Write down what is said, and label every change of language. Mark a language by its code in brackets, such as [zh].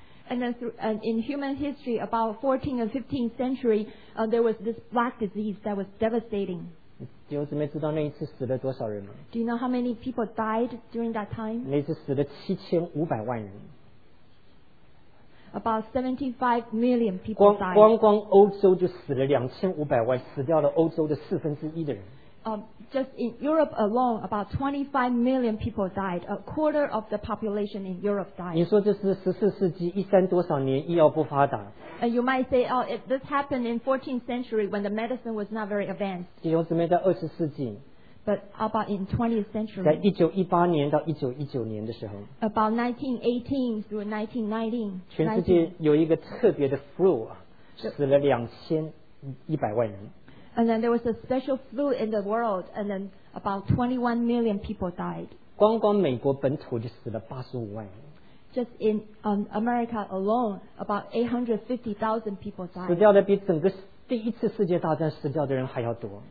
[en] And then in human history, about 14th and 15th century, there was this black disease that was devastating. [zh] 弟兄姊妹知道那一次死了多少人吗? [en] Do you know how many people died during that time? [zh] 那一次死了7500万人。 [en] About 75 million people died. [zh] 光欧洲就死了2500万,死掉了欧洲的1/4的人。 [en] Just in Europe alone, about 25 million people died. A quarter of the population in Europe died. [zh] 你说这是14世纪,一三多少年,医药不发达。 [en] And you might say, oh, this happened in 14th century when the medicine was not very advanced. [zh] 弟兄姊妹在20世纪, [en] but about in 20th century, [zh] 在1918年到1919年的时候, [en] about 1918 through 1919, [zh] 全世界有一个特别的 flu, 死了2100万人。 [en] And then there was a special flu in the world, and then about 21 million people died. [zh] 光光美国本土就死了85万人。 [en] Just in America alone, about 850,000 people died. [zh] 死掉的比整个第一次世界大战死掉的人还要多。